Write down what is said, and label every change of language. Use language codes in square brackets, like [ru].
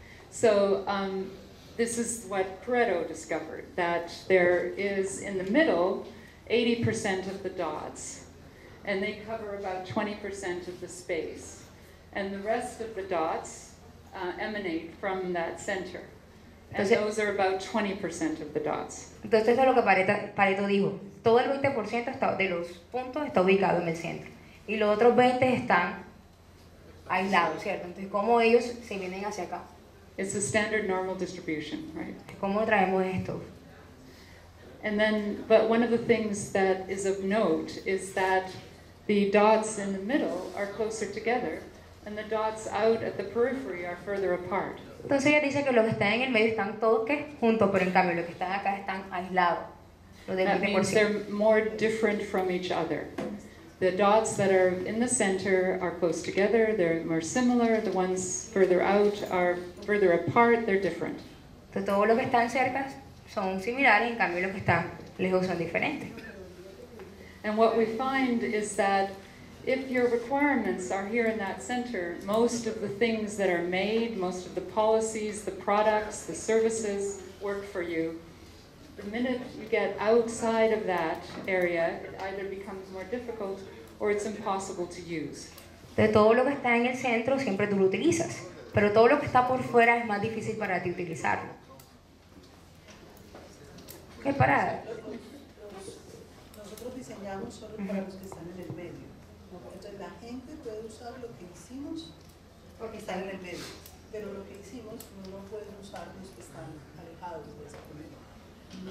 [en] So, this is what Pareto discovered, that there is in the middle 80% of the dots, and they cover about 20% of the space. And the rest of the dots emanate from that center. And [es] entonces, [en] those are about 20% of the dots. [es] Entonces eso es lo que Pareto dijo. Todo el 20% está, de los puntos está ubicado en el centro. Y los otros 20 están aislados, ¿cierto? Entonces, ¿cómo ellos se vienen hacia acá? [en] It's a standard normal distribution, right? [es] ¿Cómo traemos esto? [en] And then, but one of the things that is of note is that the dots in the middle are closer together. And the dots out at the periphery are further apart. [es] Entonces ella dice que los que están en el medio están todos que juntos, pero en cambio los que están acá están aislados. [en] That means they're more different from each other. The dots that are in the center are close together, they're more similar. The ones further out are further apart, they're different. [es] Entonces todos los que están cerca son similares, en cambio los que están lejos son diferentes. [en] And what we find is that if your requirements are here in that center, most of the things that are made, most of the policies, the products, the services work for you. The minute you get outside of that area, it either becomes more difficult or it's impossible to use. [es] De todo lo que está en el centro, siempre tú lo utilizas. Pero todo lo que está por fuera es más difícil para ti utilizarlo. ¿Qué para? Nosotros diseñamos solo para los que están en el medio. La gente puede usar lo que hicimos porque está en el medio, pero lo que hicimos no pueden usar los que están alejados de ese medio.